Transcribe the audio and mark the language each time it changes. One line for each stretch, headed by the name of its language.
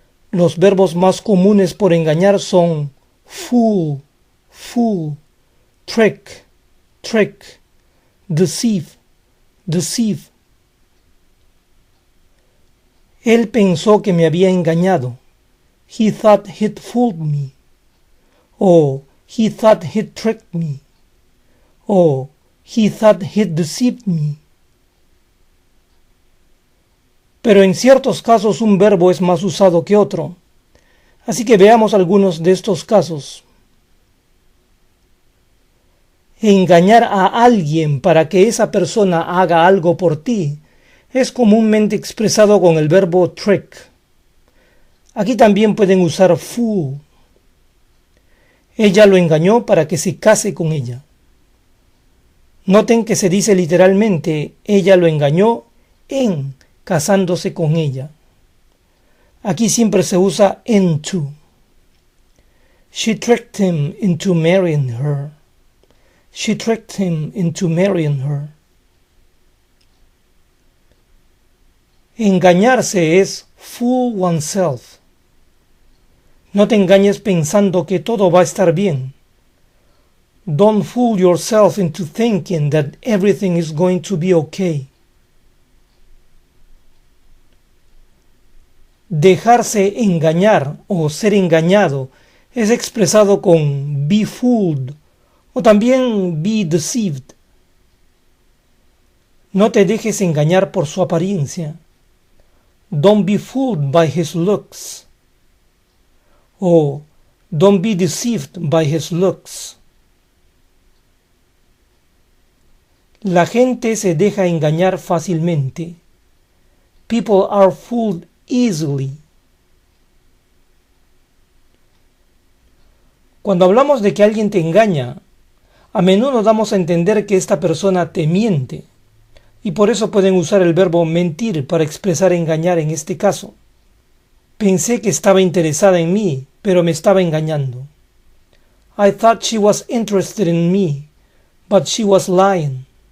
Spanish: Los verbos más comunes por engañar son fool, fool, trick, trick, deceive, deceive. Él pensó que me había engañado.
English: He thought he'd fooled me. O he thought he'd tricked me. O he thought he'd deceived me.
Spanish: Pero en ciertos casos un verbo es más usado que otro. Así que veamos algunos de estos casos. Engañar a alguien para que esa persona haga algo por ti es comúnmente expresado con el verbo trick. Aquí también pueden usar fool. Ella lo engañó para que se case con ella. Noten que se dice literalmente, ella lo engañó en casándose con ella. Aquí siempre se usa into.
English: She tricked him into marrying her. She tricked him into marrying her.
Spanish: Engañarse es fool oneself. No te engañes pensando que todo va a estar bien.
English: Don't fool yourself into thinking that everything is going to be okay.
Spanish: Dejarse engañar o ser engañado es expresado con be fooled o también be deceived. No te dejes engañar por su apariencia.
English: Don't be fooled by his looks. O don't be deceived by his looks.
Spanish: La gente se deja engañar fácilmente.
English: People are fooled easily.
Spanish: Cuando hablamos de que alguien te engaña, a menudo damos a entender que esta persona te miente. Y por eso pueden usar el verbo mentir para expresar engañar en este caso. Pensé que estaba interesada en mí, pero me estaba engañando.
English: I thought she was interested in me, but she was lying.